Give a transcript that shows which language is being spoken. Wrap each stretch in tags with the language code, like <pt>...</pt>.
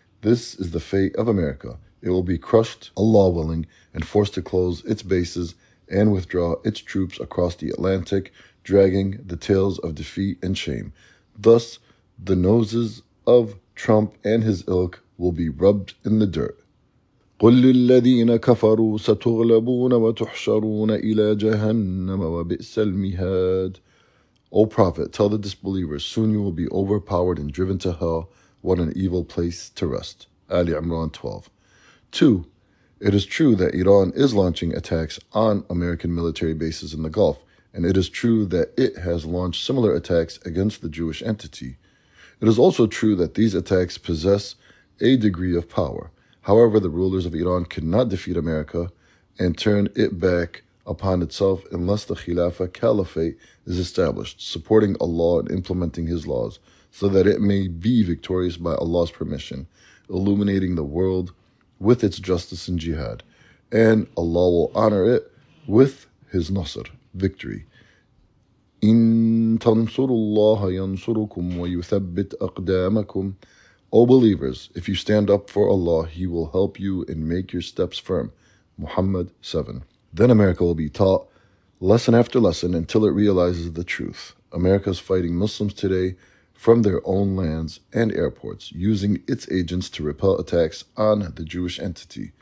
<en>This is the fate of America. It will be crushed, Allah willing, and forced to close its bases and withdraw its troops across the Atlantic, dragging the tales of defeat and shame. Thus, the noses of Trump and his ilk will be rubbed in the dirt.</en> <ar>قل للذين كفروا ستغلبون وتحشرون إلى جهنم وبئس المهاد.</ar> <en>O Prophet, tell the disbelievers, soon you will be overpowered and driven to hell. What an evil place to rest. Ali Imran 12. 2. It is true that Iran is launching attacks on American military bases in the Gulf, and it is true that it has launched similar attacks against the Jewish entity. It is also true that these attacks possess a degree of power. However, the rulers of Iran cannot defeat America and turn it back upon itself unless the Khilafah Caliphate is established, supporting Allah and implementing His laws, so that it may be victorious by Allah's permission, illuminating the world with its justice and jihad, and Allah will honor it with His Nasr, victory.</en> <ar>إن تنصروا الله ينصركم ويثبت أقدامكم.</ar> <en>O believers, if you stand up for Allah, He will help you and make your steps firm. Muhammad 7. Then America will be taught lesson after lesson until it realizes the truth. America is fighting Muslims today from their own lands and airports, using its agents to repel attacks on the Jewish entity.</en>